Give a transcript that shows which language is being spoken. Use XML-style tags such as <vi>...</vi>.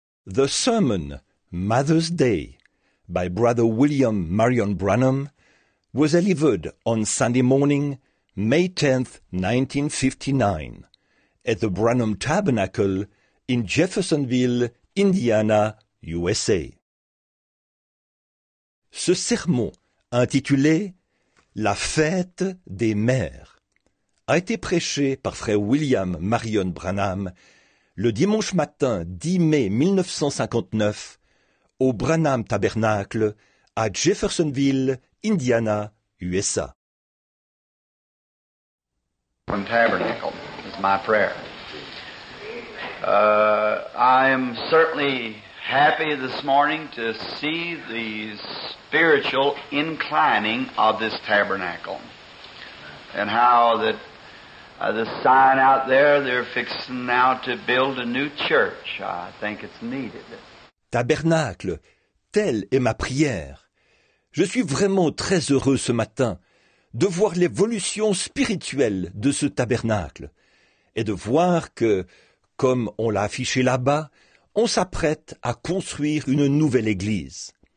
<en>The sermon, Mother's Day, by Brother William Marion Branham, was delivered on Sunday morning, May 10, 1959, at the Branham Tabernacle in Jeffersonville, Indiana, USA.</en> <fr>Ce sermon, intitulé « La fête des mères », a été prêché par Frère William Marion Branham le dimanche matin 10 mai 1959 au Branham Tabernacle à Jeffersonville, Indiana, USA.</fr> <en>Branham Tabernacle is my prayer. I am certainly happy this morning to see the spiritual inclining of this tabernacle and how that the sign out there, they're fixing now to build a new church. I think it's needed.</en> <fr>Tabernacle, telle est ma prière. Je suis vraiment très heureux ce matin de voir l'évolution spirituelle de ce tabernacle et de voir que, comme on l'a affiché là-bas, on s'apprête à construire une nouvelle église.</fr>